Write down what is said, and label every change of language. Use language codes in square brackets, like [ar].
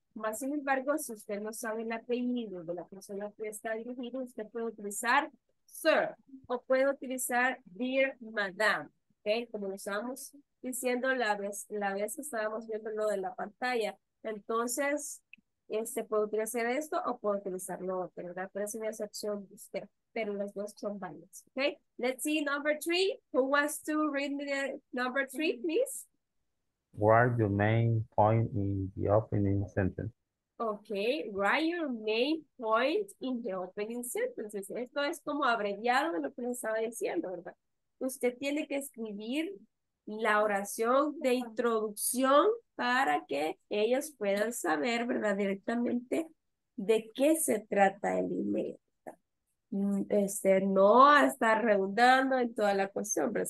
[es] Más sin embargo, si usted no sabe el apellido de la persona a la que está dirigido, usted puede utilizar sir o puede utilizar [en] dear madam. [es] ¿Okay? Como lo estábamos diciendo la vez que estábamos viendo lo de la pantalla. Entonces, este puede utilizar esto o puede utilizar lo otro, ¿verdad? Pero es una excepción de usted. Pero los dos son válidos. ¿Okay? [en] Let's see number three. Who wants to read the number three, please? Write your main point in the opening sentence. Okay, write your main point in the opening sentence. [es] Esto es como abreviado de lo que les estaba diciendo, ¿verdad? Usted tiene que escribir la oración de introducción para que ellos puedan saber, ¿verdad? Directamente de qué se trata el email. No a estar redundando en toda la cuestión, ¿verdad?